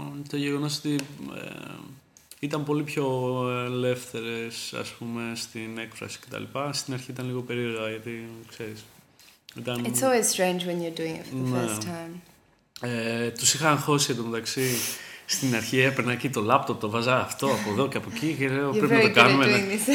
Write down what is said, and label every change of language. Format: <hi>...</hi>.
<el>Το γεγονός ότι ήταν πολύ πιο ελεύθερες, ας πούμε, στην έκφραση κτλ. Στην αρχή ήταν λίγο περίεργα, γιατί, ξέρεις... Ήταν...</el> <en>It's always strange when you're doing it for the first time.</en> <el>Τους είχα αγχώσει εντωμεταξύ στην αρχή, έπαιρνα εκεί το λάπτοπ, το βάζα αυτό από εδώ και από εκεί και λέω, πρέπει να το κάνουμε.</el>